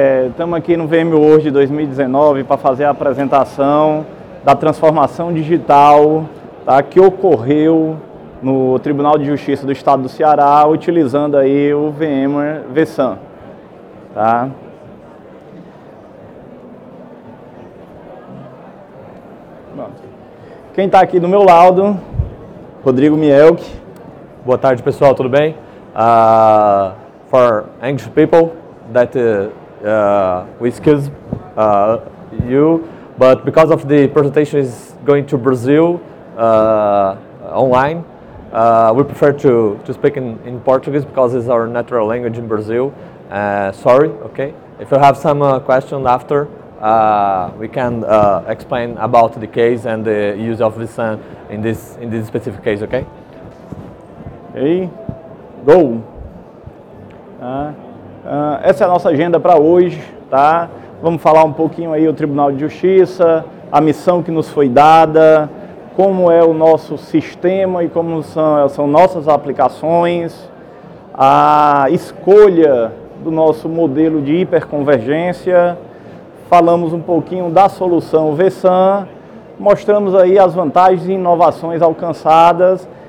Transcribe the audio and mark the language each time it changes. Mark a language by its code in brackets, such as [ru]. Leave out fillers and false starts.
[pt] Estamos aqui no VMworld 2019 para fazer a apresentação da transformação digital, tá, que ocorreu no Tribunal de Justiça do Estado do Ceará, utilizando aí o VMware vSan. Tá? Quem está aqui do meu lado? Rodrigo Mielke. Boa tarde pessoal, tudo bem? [en] For anxious people that we excuse you, but because of the presentation is going to Brazil online, we prefer to speak in Portuguese because it's our natural language in Brazil. Sorry, okay? If you have some question after, we can explain about the case and the use of vSan in this specific case, okay? Hey. Go! [pt] Essa é a nossa agenda para hoje, tá? Vamos falar um pouquinho aí do Tribunal de Justiça, a missão que nos foi dada, como é o nosso sistema e como são nossas aplicações, a escolha do nosso modelo de hiperconvergência, falamos um pouquinho da solução vSan, mostramos aí as vantagens e inovações alcançadas.